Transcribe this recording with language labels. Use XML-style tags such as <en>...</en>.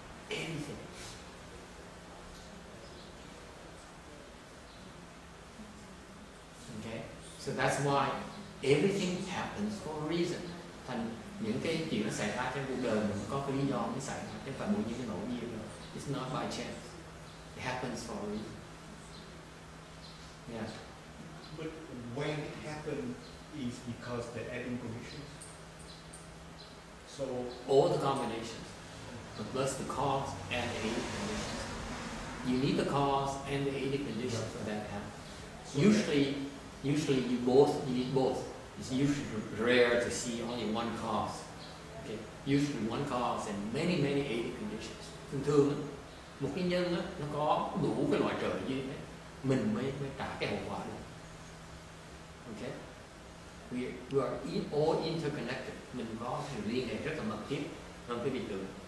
<en>Everything. Okay? So that's why everything happens for a reason.</en> <vi>Thành những cái chuyện nó xảy ra trong cuộc đời mình có cái lý do nó xảy ra, chứ phải bởi những cái ngẫu nhiên đâu.</vi> <en>It's not by chance. It happens for a reason. Yeah. But when it happened, is because the adding conditions. So all the combinations, plus the cause and the aiding conditions. You need the cause and the aiding conditions for that to happen. So usually you both, you need both. It's usually rare to see only one cause. Okay, usually one cause and many many aiding conditions.</en> <vi>Thường thường một cái nhân á nó có đủ cái loại trời như thế, mình mới trả cái hậu quả được.</vi> <en>Okay, we are all interconnected.</en> <vi>Mình có sự liên hệ rất là mật thiết trong cái việc tưởng.</vi>